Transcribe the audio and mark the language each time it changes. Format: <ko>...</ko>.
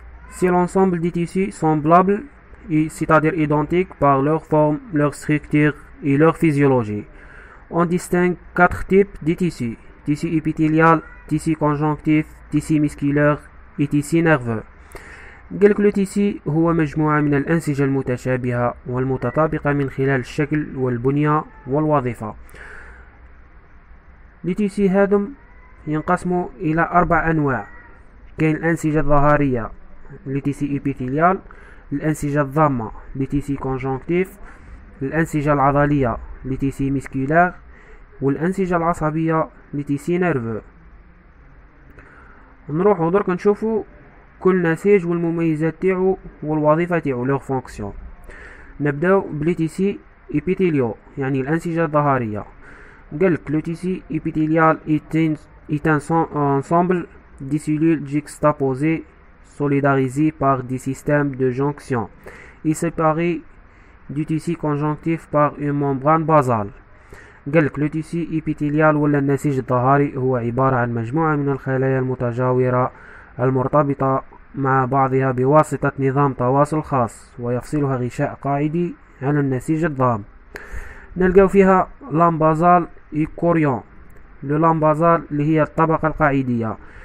<fr>C'est l'ensemble des tissus semblables, c'est-à-dire identiques par leur forme, leur structure et leur physiologie. On distingue quatre types de tissus: tissu épithélial, tissu conjonctif, tissu musculaire et tissu nerveux.</fr> <ar>قالك لو تيسي هو مجموعة من الأنسجة المتشابهة والمتطابقة من خلال الشكل والبنية والوظيفة. لي تيسي هادم ينقسموا إلى أربع أنواع. كاين الأنسجة الظهرية لي تيسي إبيثيليال، الأنسجة الضامة لي تيسي كونجونكتيف، الأنسجة العضلية لي تيسي ميسكولار، والأنسجة العصبية لي تيسي نيرفو. نروحو درك نشوفو كل نسيج والمميزات تاعو والوظيفة تاعو لوغ فونكسيون. نبداو بلي تيسي إبيثيليو، يعني الأنسجة الظهرية.</ar> <fr>قالك لو تيسي إبيثيليال إيتان أنسومبل des cellules juxtaposées solidarisées par des systèmes de jonction et séparées du tissu conjonctif par une membrane basale.</fr> <ar>قالك لو تيسي ايبيتيليال ولا النسيج الظهري هو عبارة عن مجموعة من الخلايا المتجاورة المرتبطة مع بعضها بواسطة نظام تواصل خاص، ويفصلها غشاء قاعدي عن النسيج الضام. نلقاو فيها لام بازال اي كوريون. لو لام بازال اللي هي الطبقة القاعدية.</ar>